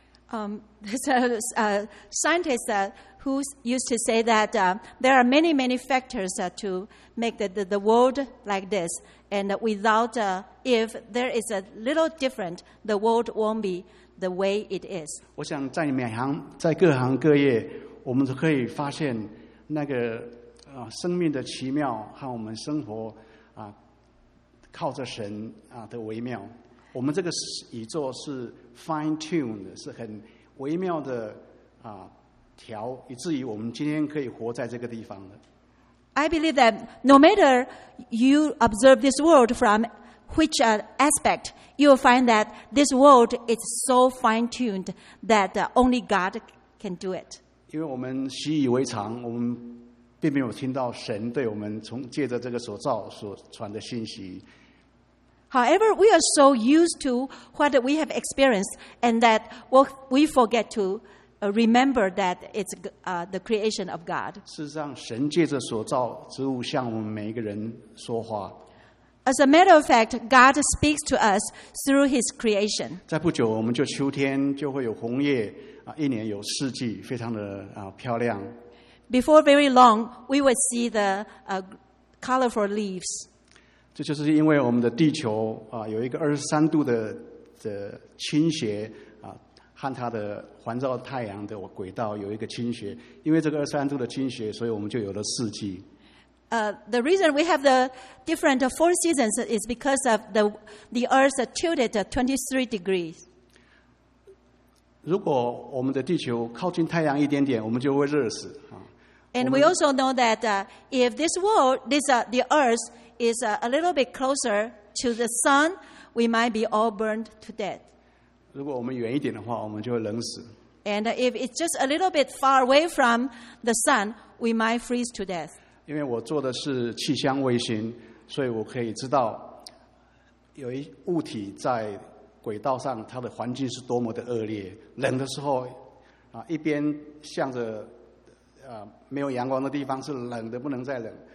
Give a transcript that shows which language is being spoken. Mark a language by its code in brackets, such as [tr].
[en] There's a scientist who used to say that there are many many factors to make the world like this, and without if there is a little different, the world won't be the way it is. [zh] 我想在每行在各行各业，我们都可以发现那个生命的奇妙和我们生活靠着神的微妙。我们这个宇宙是 fine-tuned， 是很微妙的调，以至于我们今天可以活在这个地方的。 [en] I believe that no matter you observe this world from which aspect, you will find that this world is so fine-tuned that only God can do it. [zh] 因为我们习以为常，我们并没有听到神对我们从借着这个所造所传的信息。 [en] However, we are so used to what we have experienced, and that we forget to remember that it's the creation of God. [zh] 事实上，神借着所造植物向我们每一个人说话。 [en] As a matter of fact, God speaks to us through His creation. [zh] 在不久，我们就秋天就会有红叶一年有四季，非常的漂亮。 [en] Before very long, we will see the colorful leaves. [zh] 这就是因为我们的地球有一个23度 的倾斜和它的环绕太阳的轨道有一个倾斜，因为这个23度的倾斜，所以我们就有了四季。 [en] The reason we have the different four seasons is because of the Earth tilted 23 degrees. [zh] 如果我们的地球靠近太阳一点点，我们就会热死。 [en] And we also know that if this world, the Earth,is a little bit closer to the sun, we might be all burned to death. [zh] 如果我们远一点的话，我们就会冷死。 [en] And if it's just a little bit far away from the sun, we might freeze to death. [zh] 因为我做的是气象卫星，所以我可以知道有一物体在轨道上，它的环境是多么的恶劣。冷的时候，一边向着没有阳光的地方是冷的不能再冷。